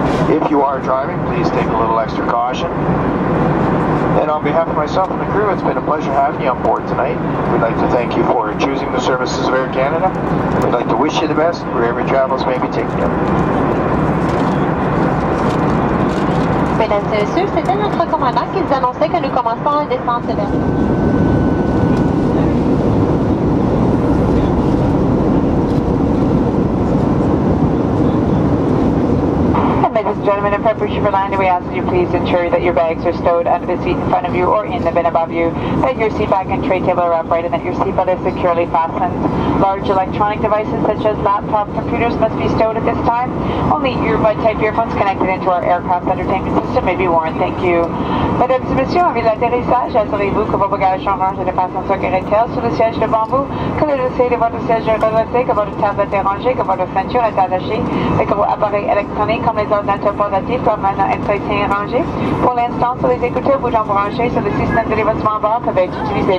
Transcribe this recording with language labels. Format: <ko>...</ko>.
<en>If you are driving, please take a little extra caution. And on behalf of myself and the crew, it's been a pleasure having you on board tonight. We'd like to thank you for choosing the services of Air Canada. We'd like to wish you the best wherever your travels may be taking you.</en> <fr>Mesdames et messieurs, c'était notre commandant qui nous annonçait que nous commençons la descente vers...</fr> <en>Ladies and gentlemen, in preparation for landing, we ask that you please ensure that your bags are stowed under the seat in front of you or in the bin above you, that your seat back and tray table are upright, and that your seatbelt is securely fastened. Large electronic devices such as laptop computers must be stowed at this time. Only earbud-type earphones connected into our aircraft entertainment system may be worn. Thank you.</en> <fr>Mesdames et messieurs, en vue de l'atterrissage, assurez-vous que vos bagages sont rangés de façon sécuritaire sur le siège devant vous, que le dossier de votre siège est redressé, que votre table est rangée, que votre ceinture est attachée et que vos appareils électroniques comme les ordinateurs portatifs doivent maintenant être placés et rangés. Pour l'instant, sur les écouteurs, vous en branchez sur le système de dévoilement bord que vous pouvez utiliser.</fr>